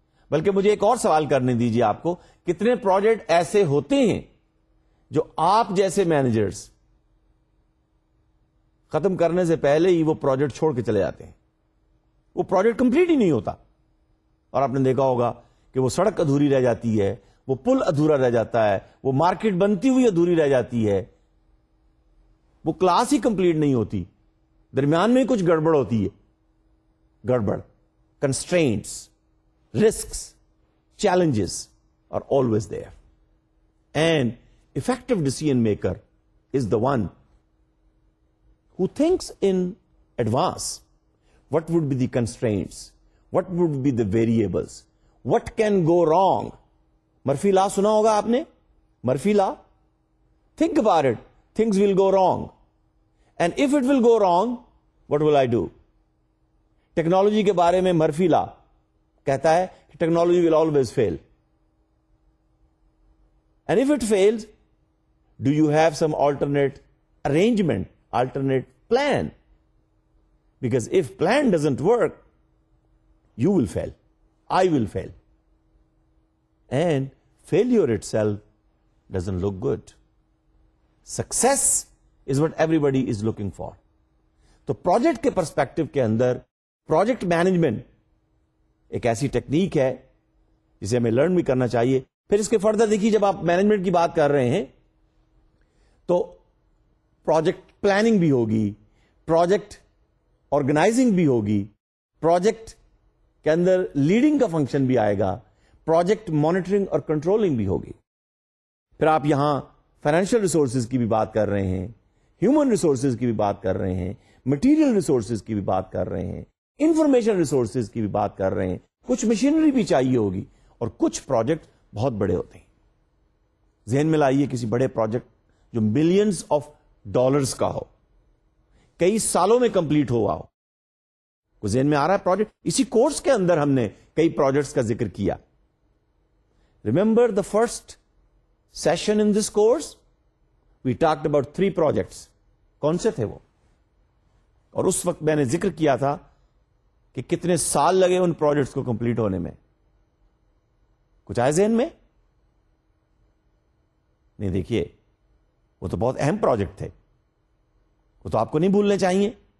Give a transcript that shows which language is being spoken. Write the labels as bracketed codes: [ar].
[ur] بلکہ مجھے ایک اور سوال کرنے دیجئے آپ کو, کتنے پروجیکٹ ایسے ہوتے ہیں جو آپ جیسے مینیجرز ختم کرنے سے پہلے ہی وہ پروجیکٹ چھوڑ کے چلے جاتے ہیں, وہ پروجیکٹ کمپلیٹ ہی نہیں ہوتا. اور آپ نے دیکھا ہوگا کہ وہ سڑک ادھوری رہ جاتی ہے, وہ پل ادھورا رہ جاتا ہے, وہ مارکیٹ بنتی ہوئی ادھوری رہ جاتی ہے, وہ کلاس ہی کمپلیٹ نہیں ہوتی, درمیان میں کچھ گڑبڑ ہوتی ہے. [en] گڑبڑ, constraints, risks, challenges are always there. And effective decision maker is the one who thinks in advance what would be the constraints, what would be the variables, what can go wrong. Murphy law [ur] suna hoga aapne? [en] Murphy law? Think about it. Things will go wrong. And if it will go wrong, what will I do? Technology [ur] ke baare mein [en] Murphy law [ur] کہتا ہے [en] Technology will always fail, and if it fails Do you have some alternate arrangement, alternate plan? Because if plan doesn't work, you will fail. I will fail. And failure itself doesn't look good. Success is what everybody is looking for. [ur] تو project کے perspective کے اندر project management ایک ایسی technique ہے جسے ہمیں learn بھی کرنا چاہیے. پھر اس کے فردر دیکھیے, جب آپ مینجمنٹ کی بات کر رہے ہیں تو پروجیکٹ پلاننگ بھی ہوگی, پروجیکٹ آرگنائزنگ بھی ہوگی, پروجیکٹ کے اندر لیڈنگ کا فنکشن بھی آئے گا, پروجیکٹ مانیٹرنگ اور کنٹرولنگ بھی ہوگی. پھر آپ یہاں فائنینشیل ریسورسز کی بھی بات کر رہے ہیں, ہیومن ریسورسز کی بھی بات کر رہے ہیں, مٹیریل ریسورسز کی بھی بات کر رہے ہیں, انفارمیشن ریسورسز کی بھی بات کر رہے ہیں, کچھ مشینری بھی چاہیے ہوگی, اور کچھ پروجیکٹ بہت بڑے ہوتے ہیں. ذہن میں لائیے کسی بڑے پروجیکٹ جو ملینز آف ڈالرز کا ہو, کئی سالوں میں کمپلیٹ ہوا ہو. کوئی ذہن میں آ رہا ہے پروجیکٹ؟ اسی کورس کے اندر ہم نے کئی پروجیکٹس کا ذکر کیا. [en] Remember the first session in this course we talked about 3 projects. [ur] کون سے تھے وہ؟ اور اس وقت میں نے ذکر کیا تھا کہ کتنے سال لگے ان پروجیکٹس کو کمپلیٹ ہونے میں. کچھ آئے ذہن میں؟ نہیں. دیکھیے وہ تو بہت اہم پروجیکٹ تھے, وہ تو آپ کو نہیں بھولنے چاہیے.